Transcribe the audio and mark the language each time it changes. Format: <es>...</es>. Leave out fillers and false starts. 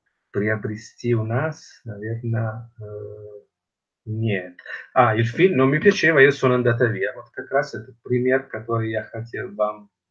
<ru>Приобрести у нас, наверное, нет.</ru> <it>А, il film non mi piaceva, io sono andata via.</it> <ru>Вот как раз этот пример, который я хотел вам...</ru>